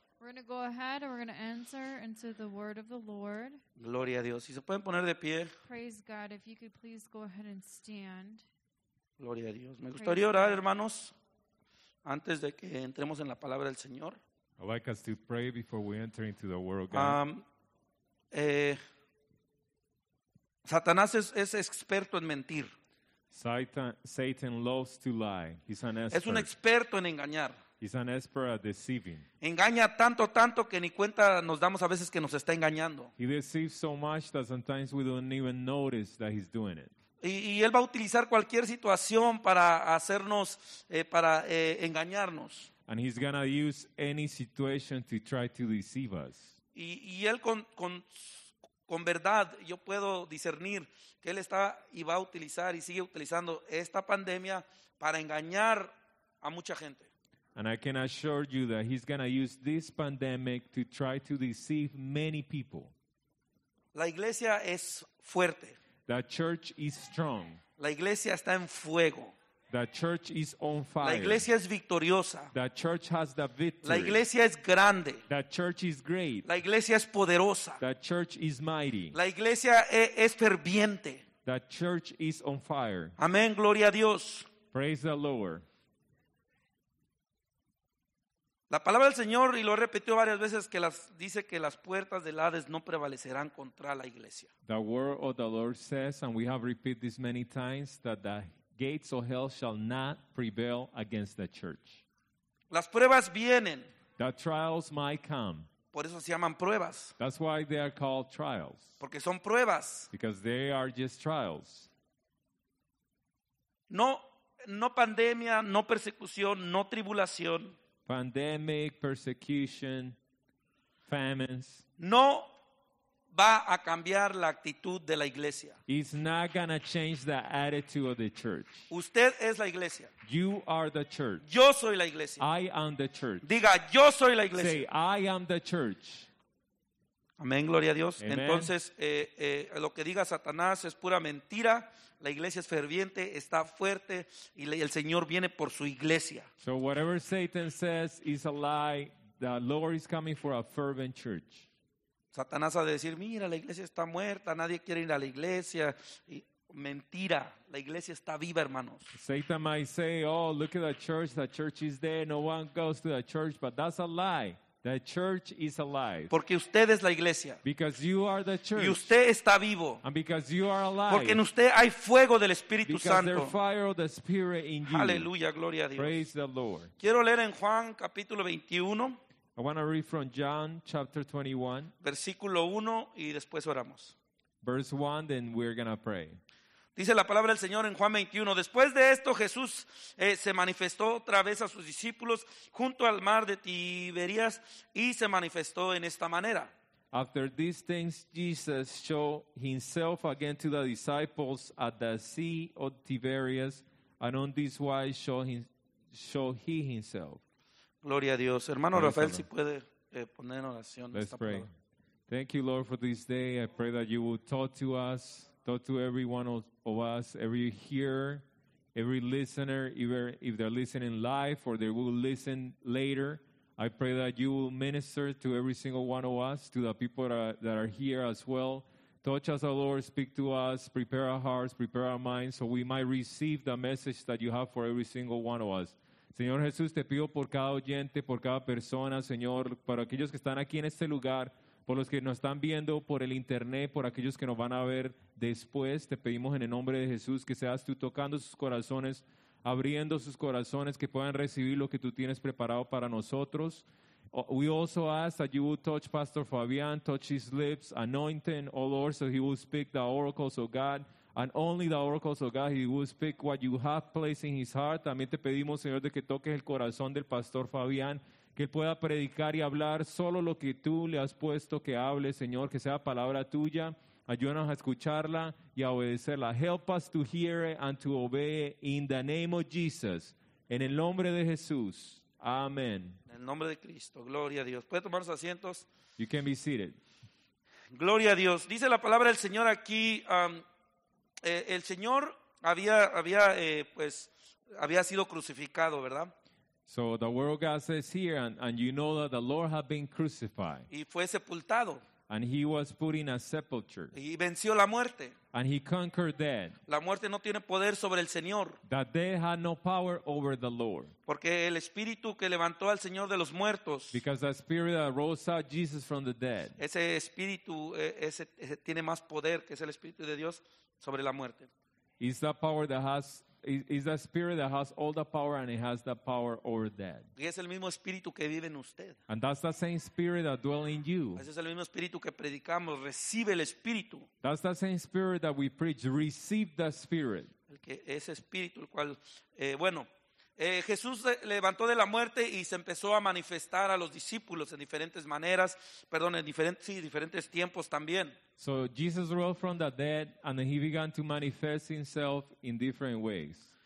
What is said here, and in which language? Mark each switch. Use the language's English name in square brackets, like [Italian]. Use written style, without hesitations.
[English] We're going to go ahead and we're going to enter into the word of the Lord. [Spanish] Gloria a Dios. Si se pueden poner de pie. [English] Praise God, if you could please go ahead and stand. [Spanish] Gloria a Dios. Me gustaría orar, hermanos, antes de que entremos en la palabra del Señor. [English] I'd like us to pray before we enter into the word of God. [Spanish] Satanás es experto en mentir. [English] Satan loves to lie. He's an expert. [Spanish] Es un experto en engañar. [English] He's an expert at deceiving. [Spanish] Engaña tanto que ni cuenta nos damos a veces que nos está engañando. [English] He deceives so much that sometimes we don't even notice that he's doing it. [Spanish] Y él va a utilizar cualquier situación para hacernos para engañarnos. [English] And he's gonna use any situation to try to deceive us. [Spanish] Y él con verdad, yo puedo discernir que él está y va a utilizar y sigue utilizando esta pandemia para engañar a mucha gente. [English] And I can assure you that he's going to use this pandemic to try to deceive many people. [Spanish] La iglesia es fuerte. [English] The church is strong. [Spanish] La iglesia está en fuego. [English] The church is on fire. [Spanish] La iglesia es victoriosa. [English] The church has the victory. [Spanish] La iglesia es grande. [English] The church is great. [Spanish] La iglesia es poderosa. [English] The church is mighty. [Spanish] La iglesia es ferviente. [English] The church is on fire. [Spanish] Amén, gloria a Dios. [English] Praise the Lord. [Spanish] La palabra del Señor, y lo he repetido varias veces, que las dice que las puertas del Hades no prevalecerán contra la iglesia. [English] The word of the Lord says, and we have repeated this many times, that the gates of hell shall not prevail against the church. [Spanish] Las pruebas vienen. [English] The trials might come. [Spanish] Por eso se llaman pruebas. [English] That's why they are called trials. [Spanish] Porque son pruebas. [English] Because they are just trials. [Spanish] No pandemia, no persecución, no tribulación. [English] Pandemic, persecution, famines. [Spanish] No va a cambiar la actitud de la iglesia. [English] It's not gonna change the attitude of the church. [Spanish] Usted es la iglesia. [English] You are the church. [Spanish] Yo soy la iglesia. [English] I am the church. [Spanish] Diga, yo soy la iglesia. [English] Say, I am the church. [Spanish] Amén, gloria a Dios. [English] Amen. [Spanish] Entonces, lo que diga Satanás es pura mentira. La iglesia es ferviente, está fuerte, y el Señor viene por su iglesia. [English] So whatever Satan says is a lie, the Lord is coming for a fervent church. [Spanish] Satanás ha de decir, mira, la iglesia está muerta, nadie quiere ir a la iglesia. Y, mentira, la iglesia está viva, hermanos. [English] Satan might say, oh, look at the church is dead, no one goes to the church, but that's a lie. The church is alive. [Spanish] Porque usted es la iglesia. [English] Because you are the church. [Spanish] Y usted está vivo. [English] And because you are alive. [Spanish] Porque en usted hay fuego del Espíritu [English] because [Spanish] Santo. [English] Because there is fire of the Spirit in you. [Spanish] Aleluya, gloria a Dios. [English] Praise the Lord. [Spanish] Quiero leer en Juan capítulo 21. [English] I want to read from John chapter 21. [Spanish] Versículo 1 y después oramos. [English] Verse 1, then we're going to pray. [Spanish] Dice la palabra del Señor en Juan 21. Después de esto, Jesús se manifestó otra vez a sus discípulos junto al mar de Tiberias y se manifestó en esta manera. [English] After these things, Jesus showed himself again to the disciples at the sea of Tiberias, and on this wise showed he himself. [Spanish] Gloria a Dios. Hermano Rafael, si puede poner en oración. [English] Let's pray. Thank you, Lord, for this day. I pray that you will talk to us. Talk to every one of us, every hearer, every listener, either if they're listening live or they will listen later. I pray that you will minister to every single one of us, to the people that are here as well. Touch us, O Lord, speak to us, prepare our hearts, prepare our minds, so we might receive the message that you have for every single one of us. [Spanish] Señor Jesús, te pido por cada oyente, por cada persona, Señor, para aquellos que están aquí en este lugar, por los que nos están viendo por el internet, por aquellos que nos van a ver después, te pedimos en el nombre de Jesús que seas tú tocando sus corazones, abriendo sus corazones, que puedan recibir lo que tú tienes preparado para nosotros. [English] We also ask that you will touch Pastor Fabian, touch his lips, anointing, oh Lord, so he will speak the oracles of God, and only the oracles of God, he will speak what you have placed in his heart. [Spanish] También te pedimos, Señor, de que toques el corazón del Pastor Fabian, que él pueda predicar y hablar solo lo que tú le has puesto que hable, Señor, que sea palabra tuya. Ayúdanos a escucharla y a obedecerla. [English] Help us to hear it and to obey it in the name of Jesus. [Spanish] En el nombre de Jesús. Amén. En el nombre de Cristo. Gloria a Dios. ¿Puede tomar sus asientos? [English] You can be seated. [Spanish] Gloria a Dios. Dice la palabra del Señor aquí. El Señor había sido crucificado, ¿verdad? [English] So the word of God says here, and you know that the Lord had been crucified. [Spanish] Y fue sepultado. [English] And he was put in a sepulcher. [Spanish] Y venció la muerte. [English] And he conquered death. [Spanish] La muerte no tiene poder sobre el Señor. [English] That death had no power over the Lord. [Spanish] Porque el espíritu que levantó al Señor de los muertos. [English] Because the spirit that rose out Jesus from the dead. [Spanish] Ese espíritu ese tiene más poder que es el espíritu de Dios sobre la muerte. [English] Is that power that has is that spirit that has all the power and it has the power over death. [Spanish] Y es el mismo espíritu que vive en usted. [English] And that's the same spirit that dwells in you. [Spanish] Ese es el mismo espíritu que predicamos. Recibe el espíritu. [English] That's the same spirit that we preach. Receive the spirit. [Spanish] El que ese espíritu el cual bueno Jesús levantó de la muerte y se empezó a manifestar a los discípulos en diferentes maneras, perdón, en diferentes, sí, diferentes tiempos también. [English] So Jesus rose from the dead and he began to manifest himself in different ways.